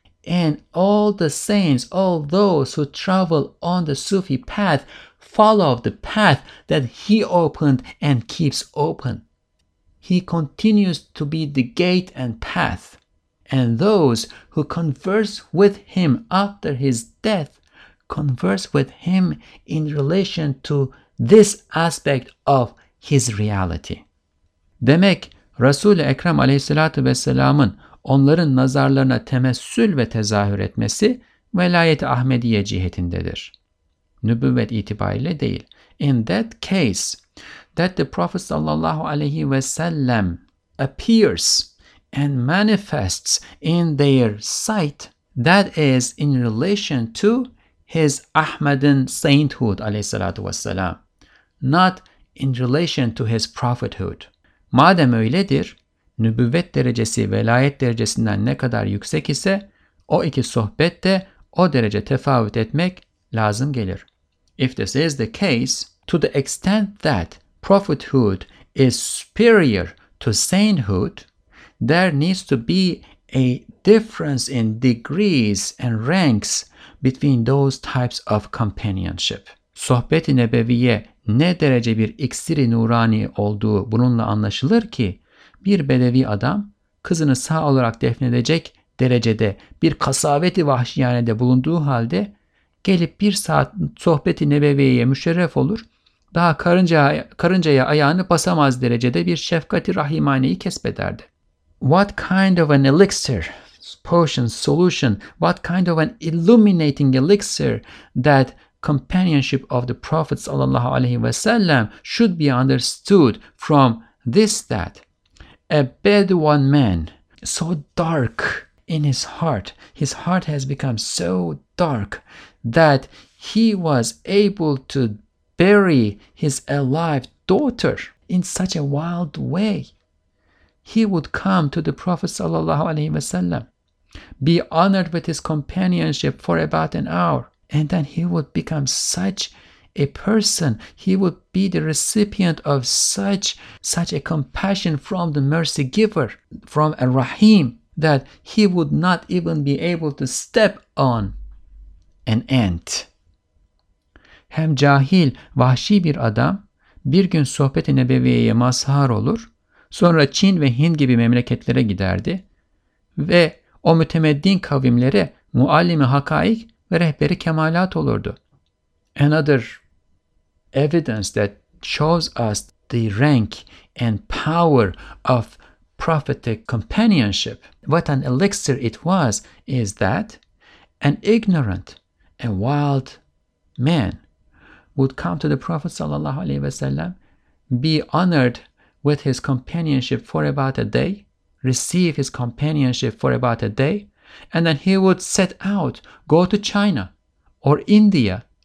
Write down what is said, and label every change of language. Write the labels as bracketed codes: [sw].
[en] And all the saints, all those who travel on the Sufi path, follow the path that he opened and keeps open. He continues to be the gate and path. And those who converse with him after his death converse with him in relation to this aspect of his reality. [tr] Demek Resul-i Ekrem aleyhissalatu vesselamın onların nazarlarına temessül ve tezahür etmesi velayet-i Ahmediye cihetindedir. Nübüvvet itibariyle değil. [en] In that case, that the Prophet sallallahu aleyhi ve sellem appears and manifests in their sight, that is in relation to his Ahmadin sainthood, alayhi salatu wassalam, not in relation to his prophethood. [tr] Madem öyledir, nübüvvet derecesi velayet derecesinden ne kadar yüksek ise, o iki sohbette o derece tefavüt etmek lazım gelir. [en] If this is the case, to the extent that prophethood is superior to sainthood, there needs to be a difference in degrees and ranks between those types of companionship. [tr] Sohbet-i nebeviye ne derece bir iksir-i nurani olduğu bununla anlaşılır ki, bir bedevi adam kızını sağ olarak defnedecek derecede bir kasaveti vahşiyanede bulunduğu halde gelip bir saat sohbet-i nebeviyeye müşerref olur, daha karıncaya ayağını basamaz derecede bir şefkati rahimaneyi kesbederdi. [en] What kind of an elixir, potion, solution, what kind of an illuminating elixir that companionship of the Prophet sallallahu aleyhi ve sellem should be understood from this that a Bedouin man, so dark in his heart has become so dark that he was able to bury his alive daughter in such a wild way. He would come to the Prophet sallallahu alaihi wasallam, be honored with his companionship for about an hour, and then he would become such a person. He would be the recipient of such a compassion from the mercy giver, from a Rahim, that he would not even be able to step on an ant. [tr] Hem cahil, vahşi bir adam bir gün sohbet-i nebeviyeye mazhar olur, sonra Çin ve Hind gibi memleketlere giderdi ve o mütemeddin kavimlere muallimi hakaik ve rehberi kemalat olurdu. [en] Another evidence that shows us the rank and power of prophetic companionship, what an elixir it was, is that an ignorant, a wild man would come to the Prophet sallallahu alaihi wasallam, be honored with his companionship for about a day, receive his companionship for about a day, and then he would set out, go to China or India.